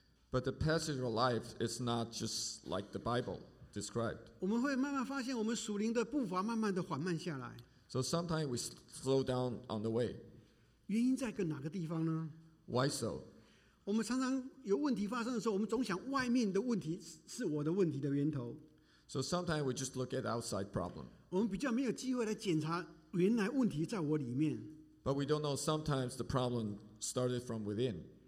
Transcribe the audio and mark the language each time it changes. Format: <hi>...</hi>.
<en>But the passage of life is not just like the Bible described.</en> <zh>我们会慢慢发现我们属灵的步伐慢慢地缓慢下来。</zh> <en>So sometimes we slow down on the way.</en> <zh>原因在哪个地方呢？</zh> <en>Why so?</en> <zh>我们常常有问题发生的时候，我们总想外面的问题是我的问题的源头。</zh> <en>So sometimes we just look at outside problem.</en> <zh>我们比较没有机会来检查原来问题在我里面。</zh> <en>But we don't know sometimes the problem started from within.</en>